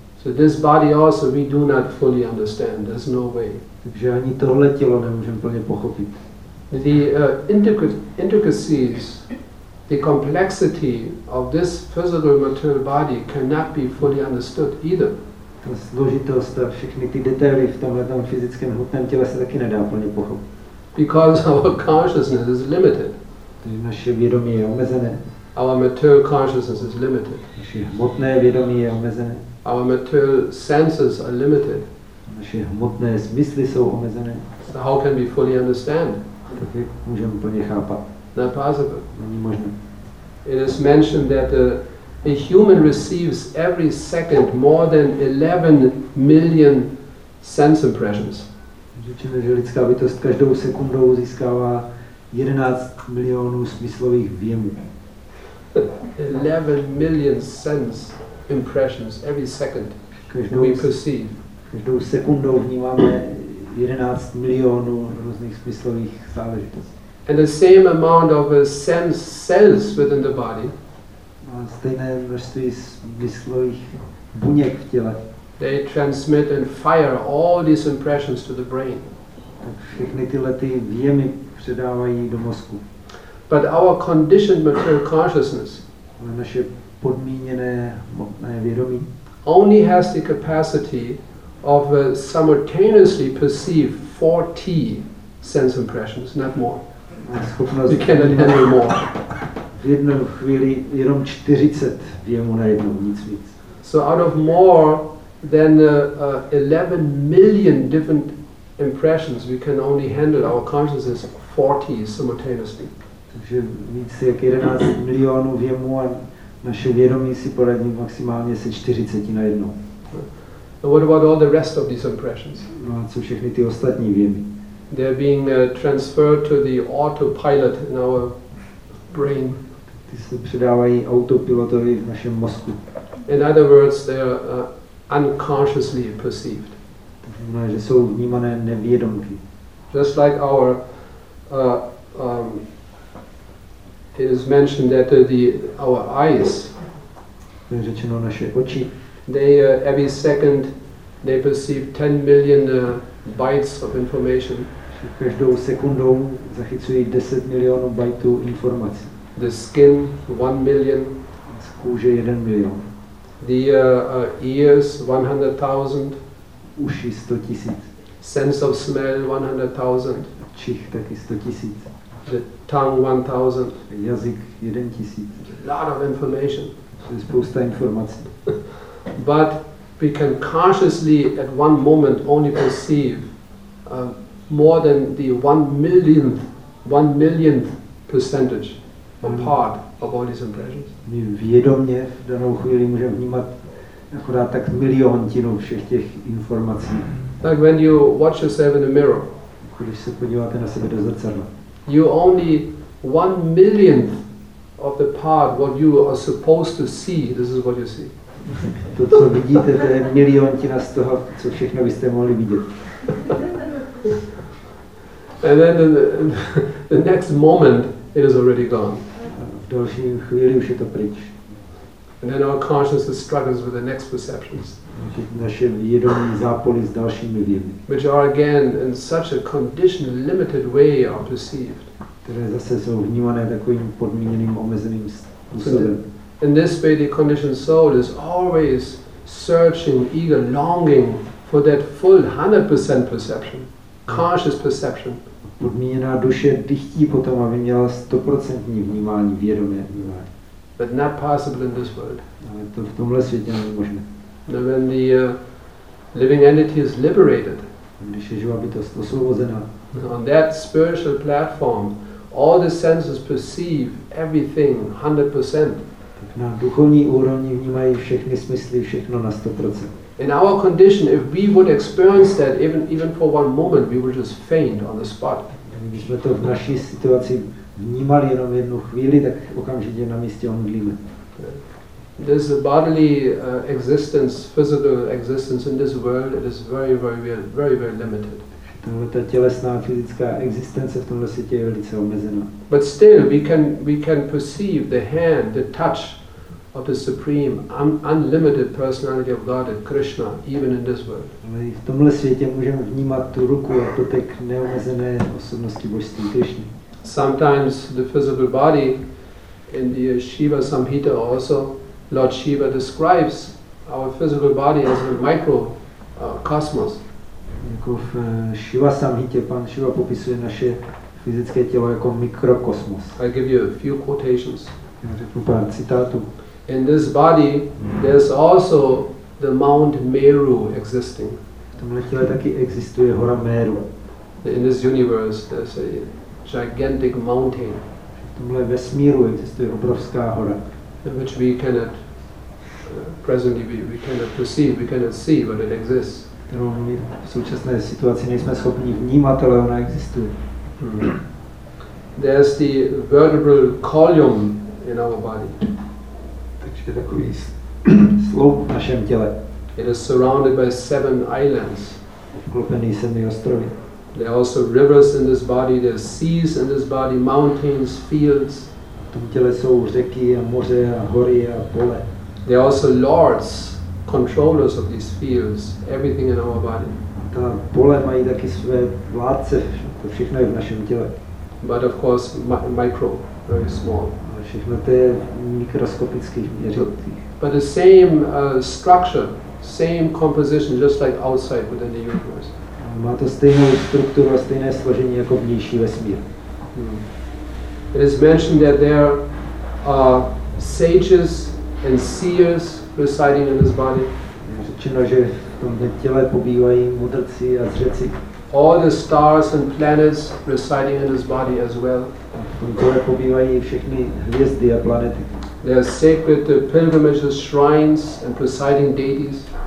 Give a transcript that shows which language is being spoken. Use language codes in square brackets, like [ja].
[en] So this body also we do not fully understand. There's no way. [cs] Takže ani tohle tělo nemůžeme plně pochopit. [en] The intricacies, the complexity of this physical material body cannot be fully understood either. [cs] Ta složitost a všechny ty detaily v tomhle fyzickém hmotném těle se taky nedá plně pochopit. [en] Because our consciousness is limited. [cs] Naše vědomí je omezené. [en] Our material consciousness is limited. [cs] Naše hmotné vědomí je omezené. [en] Our material senses are limited. [cs] Naše hmotné smysly jsou omezené. [en] So how can we fully understand? [cs] Tak jak můžeme plně chápat? [en] Not possible. [cs] Není možné. [en] It is mentioned that a human receives every second more than 11 million sense impressions. [cs] Řečeno, že lidská bytost každou sekundou získává 11 milionů smyslových vjemů. [en] 11 million sense impressions every second we perceive. [cs] Každou sekundou vnímáme 11 milionů různých smyslových záležitostí. [en] And the same amount of sense cells within the body. [cs] A stejné množství smyslových buněk v těle. [en] They transmit and fire all these impressions to the brain. [cs] Všechny tyhle ty vjemy předávají do mozku. [en] But our conditioned material consciousness, [cs] naše podmíněné hmotné vědomí, [en] only has the capacity of simultaneously perceive 40 sense impressions, not more. You cannot handle more. [cs] V jednu chvíli jenom 40 vjemů na jednou, nic víc. [en] So out of more than 11 million different impressions, we can only handle our consciousness 40 simultaneously. [cs] Takže víc jak 11 milionů vjemů a naše vědomí si poradí maximálně se 40 na jednou. [en] And what about all the rest of these impressions? [cs] No a co všechny ty ostatní vjemy? [en] They're being transferred to the autopilot in our brain. [cs] Ty se předávají autopilotovi v našem mozku. [en] In other words, they're unconsciously perceived. [cs] To znamená, že jsou vnímané nevědomky. [en] Just like our it is mentioned that our eyes, [cs] je řečeno naše oči, [en] they every second they perceive 10 million bytes of information. [cs] Každou sekundou zachycují 10 milionů bytů informací. [en] The skin 1 million. [cs] Z kůže 1 milion. [en] The ears 100,000. [cs] Uši 100 tisíc. [en] Sense of smell 100,000. [cs] Čich taky 100 tisíc. [en] The tongue 1,000. [cs] Jazyk 1 tisíc. [en] A lot of information. [cs] Je spousta informací. [en] But we can consciously at one moment only perceive more than the 1 millionth percentage or part of all these impressions. [cs] My vědomě v danou chvíli můžeme vnímat akorát tak miliontinu všech těch informací. [en] Like when you watch yourself in the mirror. [cs] Když se podíváte na sebe do zrcadla. [en] You only 1 millionth of the part what you are supposed to see, this is what you see. [cs] To, co vidíte, to je miliontina z toho, co všechno byste mohli vidět. [en] And then the next moment it is already gone. [cs] V další chvíli už je to pryč. [en] And then our consciousness struggles with the next perceptions. [cs] Naše vědomí zápolí s dalšími vědomí. [en] Which are again in such a conditioned, limited way are perceived. [cs] Které zase jsou vnímané takovým podmíněným, omezeným způsobem. [en] In this way the conditioned soul is always searching, eager, longing for that full 100% perception. Conscious perception. [cs] Podmíněná duše dýchtí potom, aby měla 100% vnímání, vědomé vnímání. [en] But not possible in this world. [cs] Ale to v tomhle světě není možné. [en] Now when the living entity is liberated. [cs] Když je živá bytost osvobozená. [en] On that spiritual platform, all the senses perceive everything 100%. [cs] Tak na duchovní úrovni vnímají všechny smysly, všechno na 100%. [en] In our condition, if we would experience that even for one moment, we would just faint on the spot. [cs] Když jsme to v naší situaci vnímali jenom jednu chvíli, tak okamžitě na místě omdlíme. [en] This bodily existence, physical existence in this world, it is very, very, very, very, very limited. [cs] Tato tělesná fyzická existence v tomto světě je velice omezená. [en] But still, we can perceive the hand, the touch of the supreme, unlimited personality of Godhead, Krishna, even in this world. [cs] My v tomhle světě můžeme vnímat tu ruku a dotek neomezené osobnosti božství Krishny. [en] Sometimes the physical body, in the Shiva Samhita also, Lord Shiva describes our physical body as a microcosmos. [cs] jako v Shiva Samhitě pan Shiva popisuje naše fyzické tělo jako mikrokosmos. [en] I give you a few quotations. [cs] Řeknu pár citátů. [en] In this body there's also the Mount Meru existing. [cs] V tomhle těle taky existuje hora Meru. [en] In this universe there's a gigantic mountain. [cs] V tomhle vesmíru existuje obrovská hora. [en] Which we cannot presently we cannot perceive, we cannot see, but it exists. [cs] Kterou my v současné situaci nejsme schopni vnímat, ale ona existuje. [en] There's the vertebral column in our body. [cs] Takže takový sloup v našem těle. [en] It is surrounded by seven islands. [cs] Obklopený sedmi ostrovy. [en] There are also rivers in this body, there are seas in this body, mountains, fields. [cs] V tom těle jsou řeky a moře a hory a pole. [en] There are also lords, controllers of these fields, everything in our body. [cs] Ta pole mají taky své vládce, to všechno je v našem těle. [en] But of course micro, very small. [cs] A všechno to je mikroskopických měřitých. [en] But the same structure, same composition, just like outside within the universe. [cs] Má to stejnou strukturu a stejné složení jako vnější vesmír. [en] It is mentioned that there are sages and seers residing in this body. [cs] Řečeno, že v tomto těle pobývají mudrci a zřeci. [en] All the stars and planets residing in this body as well. [cs] V tomto těle pobývají všechny hvězdy a planety. [en] There are sacred pilgrimages, shrines and presiding deities.